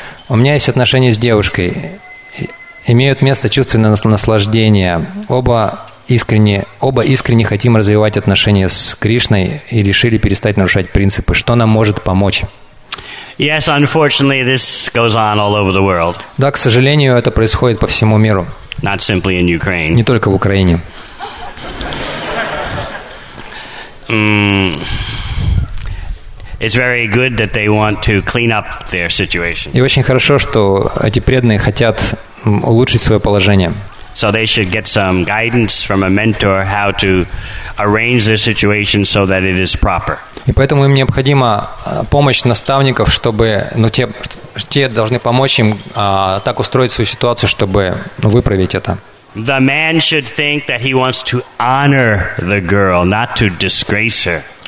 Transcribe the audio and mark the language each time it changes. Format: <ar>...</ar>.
<ru>У меня есть отношения с девушкой. Имеют место чувственное наслаждение. Оба искренне хотим развивать отношения с Кришной и решили перестать нарушать принципы. Что нам может помочь?</ru> <en>Yes, unfortunately, this goes on all over the world.</en> <ru>Да, к сожалению, это происходит по всему миру.</ru> <en>Not simply in Ukraine.</en> <ru>Не только в Украине.</ru> <en>It's very good that they want to clean up their situation.</en> <ru>И очень хорошо, что эти преданные хотят улучшить свое положение.</ru> <en>So they should get some guidance from a mentor how to arrange their situation so that it is proper.</en> <ru>И поэтому им необходима помощь наставников, чтобы, ну, те должны помочь им так устроить свою ситуацию, чтобы, ну, выправить это.</ru> <en>The man should think that he wants to honor the girl, not to disgrace her.</en>